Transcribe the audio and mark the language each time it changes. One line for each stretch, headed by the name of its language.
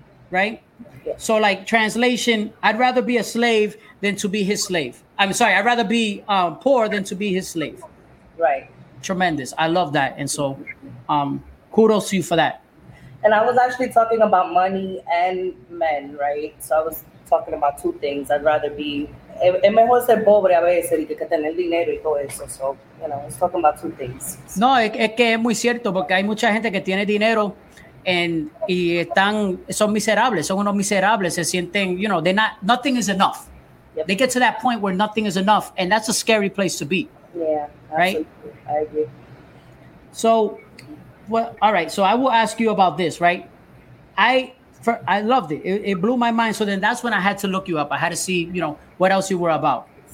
English: Right? Yeah. So like translation, I'd rather be a slave than to be his slave. I'm sorry. I'd rather be poor than to be his slave. Right. Tremendous. I love that. And so, kudos to you for that. And I was actually talking about money and men, right? So I was talking about two things. I'd rather be,
Spanish: es mejor ser pobre a veces que tener dinero y todo eso.
English: So, I was talking about two things.
Spanish: No, es que es muy cierto porque hay mucha gente que tiene dinero y están, son miserables, son unos miserables. Se sienten,
English: nothing is enough. Yep. They get to that point where nothing is enough, and that's a scary place to be. Yeah, absolutely. Right? I agree. So, all right, so I will ask you about this, right? I loved it. It blew my mind. So then that's when I had to look you up. I had to see, what else you were about.